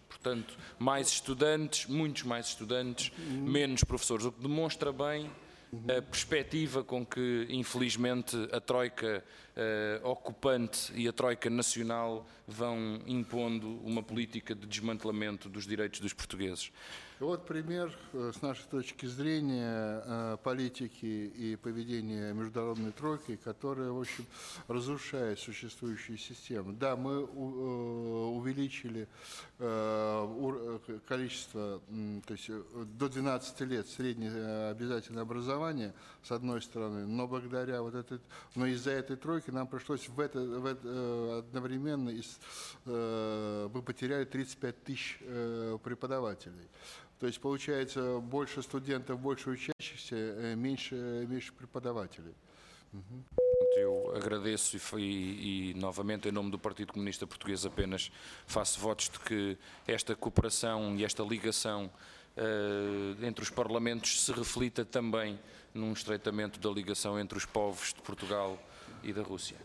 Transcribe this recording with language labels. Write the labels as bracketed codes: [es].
[pt] Portanto, mais estudantes, muitos mais estudantes, menos professores, o que demonstra bem a perspectiva com que, infelizmente, a troika ocupante e a troika nacional vão impondo uma política de desmantelamento dos direitos dos portugueses. [ru] Вот пример с нашей точки зрения политики и поведения международной тройки, которая, в общем, разрушает существующую систему. Да, мы увеличили количество, то есть до 12 лет среднее обязательное образование, с одной стороны, но благодаря вот этой, но из-за этой тройки нам пришлось одновременно, мы потеряли 35 тысяч преподавателей. То есть получается больше студентов, больше учащихся, меньше преподавателей. [pt] Eu agradeço e novamente em nome do Partido Comunista Português apenas faço votos de que esta cooperação e esta ligação entre os parlamentos se reflita também num estreitamento da ligação entre os povos de Portugal e da Rússia.